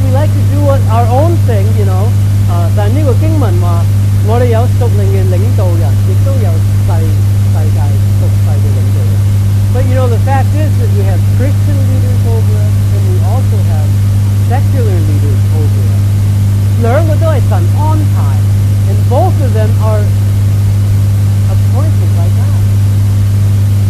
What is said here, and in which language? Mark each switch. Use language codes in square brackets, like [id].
[en] We like to do our own thing, you know. [zh] 但这个经文说,我们有属灵的领导人,也都有世界属世的领导人。 [en] But you know, the fact is that we have Christian leaders over us, and we also have secular leaders over us. [zh] 两个都是神安排, [en] and both of them are appointed by God.